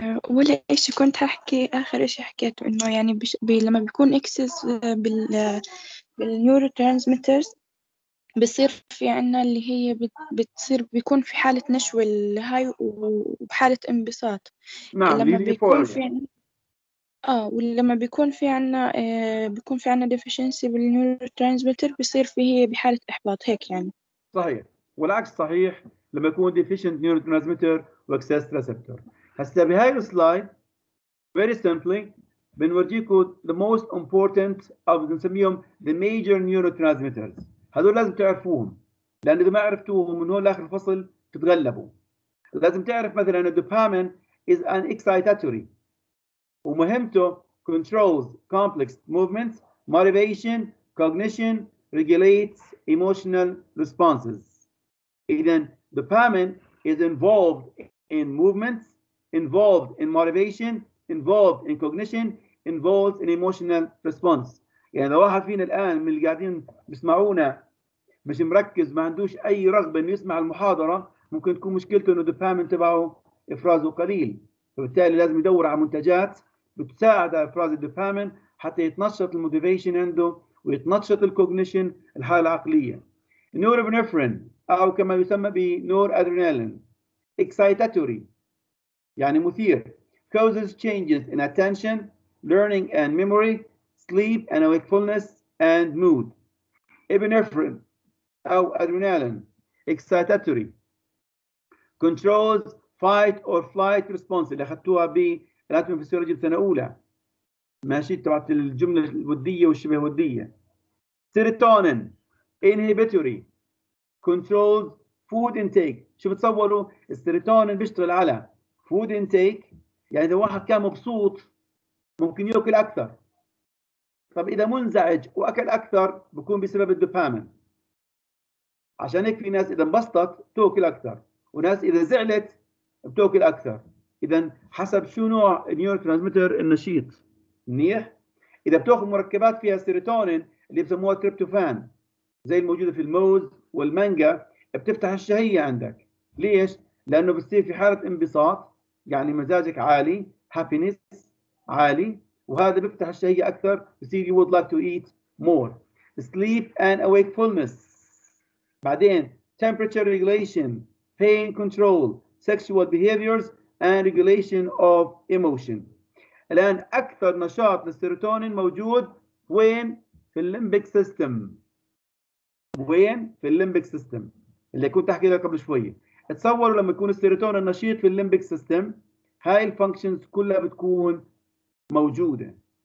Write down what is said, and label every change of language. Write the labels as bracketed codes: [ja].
[ar] ولا إيش كنت أحكي آخر إيش حكيت، إنه يعني لما بيكون excess بال neurotransmitters بيصير في عنا اللي هي بتصير بيكون في حالة نشوة الهاي وحالة انبساط. نعم. لما بيكون في ولما بيكون في عنا بيكون في عنا deficiency بالنيورو ترانسميتر بيصير في هي بحالة إحباط هيك يعني. صحيح. والعكس صحيح لما يكون deficient نيورو ترانسميتر واكسس ريسبتور. هسا بهاي السلايد very simply بنورجيكو the most important of نسميهم the major نيورو ترانسميترز. هذول لازم تعرفوهم، لأن إذا ما عرفتوهم من هون لآخر الفصل تتغلبوا. [en] لازم تعرف مثلاً الدوبامين is an excitatory ومهمته controls complex movements, motivation, cognition, regulates emotional responses. إذن الدوبامين is involved in movements, involved in motivation, involved in cognition, involved in emotional response. [ar] يعني إذا واحد فينا الآن من اللي قاعدين بسمعونا مش مركز، ما عندوش اي رغبه انه يسمع المحاضره، ممكن تكون مشكلته انه الدوبامين تبعه افرازه قليل، فبالتالي لازم يدور على منتجات بتساعد على افراز الدوبامين حتى يتنشط الموتيفيشن عنده ويتنشط الكوجنيشن الحاله العقليه. [en] Norepinephrine او كما يسمى بنور ادرينالين اكسايتاتوري يعني مثير، causes changes in attention, learning and memory, sleep and wakefulness and mood. [ar] ابينفرين أو أدرينالين إكسايتاتوري controls fight or flight response اللي أخذتوها بالأتمي فيسيولوجي السنة الأولى، ماشي تبعت الجملة الودية والشبه ودية. سيروتونين [en] inhibitory controls food intake. [ar] شو بتصوروا؟ السيروتونين بيشتغل على food intake. يعني إذا واحد كان مبسوط ممكن يأكل أكثر. طب إذا منزعج وأكل أكثر بكون بسبب الدوبامين. عشان هيك في ناس إذا انبسطت تأكل أكثر، وناس إذا زعلت بتأكل أكثر. إذا حسب شو نوع النيوروترانسميتر النشيط منيح. إذا بتأخذ مركبات فيها سيروتونين اللي بسموها تريبتوفان زي الموجودة في الموز والمانجا بتفتح الشهية عندك. ليش؟ لأنه بتصير في حالة انبساط، يعني مزاجك عالي، happiness عالي، وهذا بيفتح الشهية أكثر، بصير you would like to eat more. [en] Sleep and wakefulness. بعدين temperature regulation, pain control, sexual behaviors and regulation of emotion. [ar] الآن أكثر نشاط للسيروتونين موجود وين؟ في الليمبيك سيستم. وين؟ في الليمبيك سيستم اللي كنت أحكي لك قبل شوية. تصوروا لما يكون السيروتونين نشيط في الليمبيك سيستم، هاي الفانكشنز كلها بتكون موجودة.